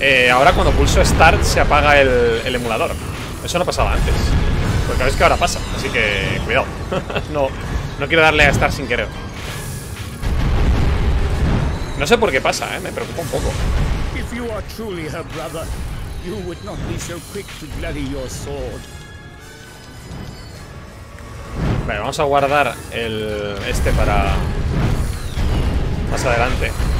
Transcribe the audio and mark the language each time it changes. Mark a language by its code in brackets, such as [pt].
[es] Ahora cuando pulso Start se apaga el emulador. Eso no pasaba antes. Porque sabéis que ahora pasa, así que cuidado. No quiero darle a Star sin querer. No sé por qué pasa, me preocupa un poco. [en] If you are truly her brother, you would not be so quick to bloody your sword. [es] Vale, vamos a guardar el este para más adelante.